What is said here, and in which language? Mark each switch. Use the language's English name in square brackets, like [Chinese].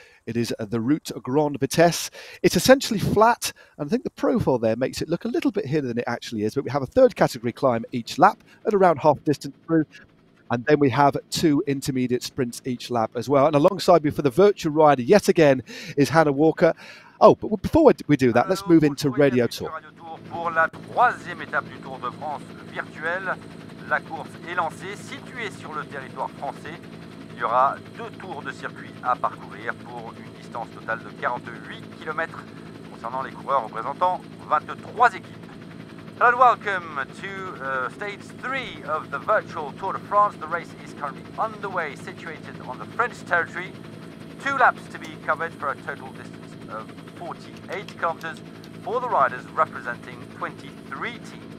[English] It is the Route Grande Vitesse. It's essentially flat, and I think the profile there makes it look a little bit hidden than it actually is, but we have a third category climb each lap at around half distance through, and then we have two intermediate sprints each lap as well. And alongside me for the virtual rider yet again is Hannah Walker. Oh, but before we do that, let's move into Radio Tour. [French] Radio Tour pour la troisième étape du Tour de France virtuel. La course est lancée, située sur le territoire français. Il y aura deux tours de circuit à parcourir pour une distance totale de 48 km concernant les coureurs représentant 23 équipes. [English] Hello and welcome to stage 3 of the virtual Tour de France. The race is currently underway, situated on the French territory. Two laps to be covered for a total distance of 48 kilometers for the riders representing 23 teams.